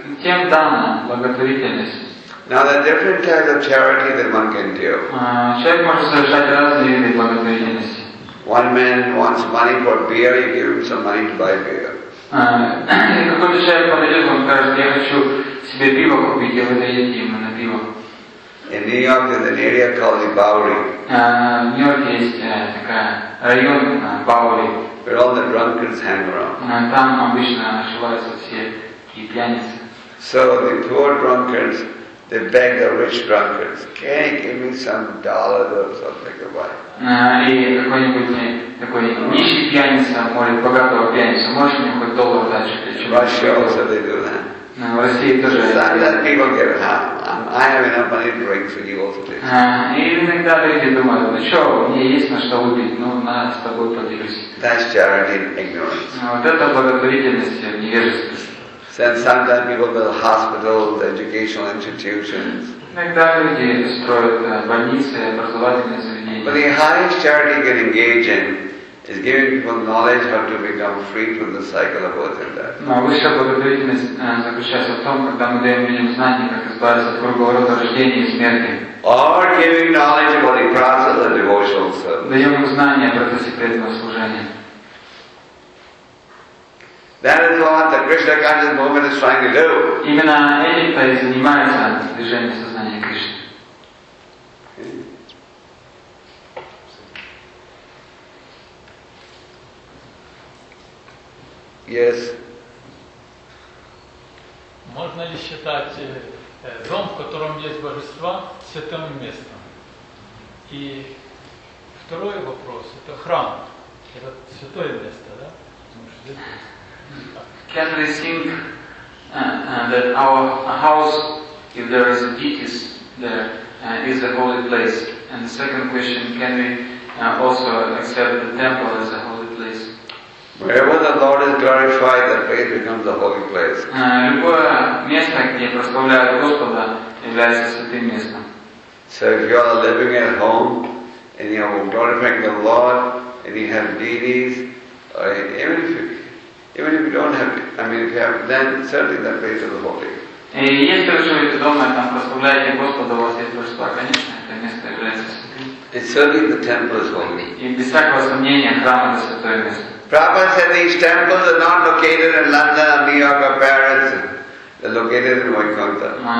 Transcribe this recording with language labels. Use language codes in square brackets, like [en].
[ru] Тем дана, благотворительность. [en] Now there are different types of charity that one can do. [ru] Человек может совершать разные виды благотворительности. [en] One man wants money for beer, you give him some money to buy beer. [ru] Какой-то человек подойдет, он скажет, я хочу себе пиво купить, я подойду ему на пиво. [en] In New York there's an area called the Bowery. [ru] В Нью-Йорке есть такая район Bowery. [en] Where all the drunkards hang around. [ru] Там обычно ошиваются все и пьяницы. [en] So the poor drunkards. They beg the rich drunkards, can you give me some dollars or something to buy? [ru] И какой-нибудь такой нищий пьяница, может, богатого пьяница, можешь мне хоть доллар дать, чтобы я чувствую? [en] Russia also they do that. [ru] В России тоже. [en] Some that people get half. I have enough money to drink for you also. [ru] И иногда люди думают, ну что, у меня есть на что выпить, ну надо с тобой поделюсь. [en] That's charity and ignorance. [ru] Вот это благотворительность в невежестве. [en] Then sometimes people build hospitals, educational institutions. [ru] Иногда люди строят больницы, образовательные заведения. [en] But the highest charity you can engage in is giving people knowledge how to become free from the cycle of birth and death. [ru] Но высшая благотворительность заключается в том, когда мы даем людям знания, как избавиться от кругового рода рождения и смерти. [en] Or giving knowledge about the process of devotional service. [ru] Даем им знания о процессе преданного служения. [en] That is what the Krishna conscious movement is trying to do. [ru] Именно это и занимается движение сознания Кришны. [en] Yes. [ru] Можно ли считать дом, в котором есть божества, святым местом? И второй вопрос – это храм. Это святое место, да? Потому что здесь есть. [en] Can we think that our house, if there is a deities there, is a holy place? And the second question, can we also accept the temple as a holy place? Wherever the Lord is glorified, the faith becomes a holy place. [ru] Любое место, где прославляют Господа, является святым местом. [en] So if you are living at home and you are glorifying the Lord and you have deities, or even if you don't have, I mean, if you have, then certainly the place is holy. [ru] И если вы живете дома, там прославляете Господа, у вас есть божество, конечно, это место является святым. [en] It's certainly the temple is holy. [ru] И без всякого сомнения, храм это святое место. [en] Prabhupada said these temples are not located in London or New York or Paris. They're located in Vaikuntha.